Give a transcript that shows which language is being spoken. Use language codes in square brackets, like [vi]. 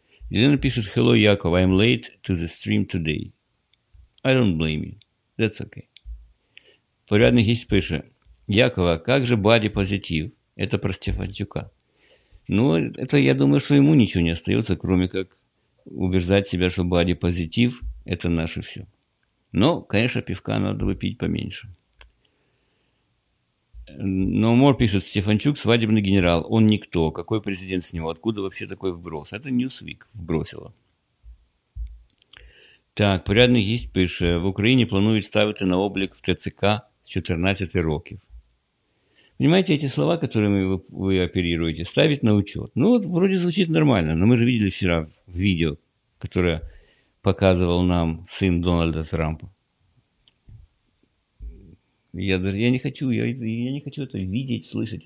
[uk] Ірина пише: [en] Hello, Яков, I'm late to the stream today. I don't blame you. That's okay. [uk] Порядний гість пише: Якова, як же баді позитив? [ru] Это про Стефанчука. Ну, это, я думаю, [uk] що йому нічого не остається, [ru] кроме як убеждати себе, що баді позитив – это наше все. Ну, конечно, пивка надо выпить поменьше. Но Мор пишет: Стефанчук – свадебный генерал. Он никто. Какой президент с него? Откуда вообще такой вброс? Это Ньюсвик вбросила. [uk] Так, порядный гість пише: в Україні планують ставити на облік в ТЦК з 14 років. [ru] Понимаете, эти слова, которыми вы оперируете, ставить на учет. Ну, вот, вроде звучит нормально, но мы же видели вчера видео, которое показывал нам сын Дональда Трампа. Я не хочу это видеть, слышать.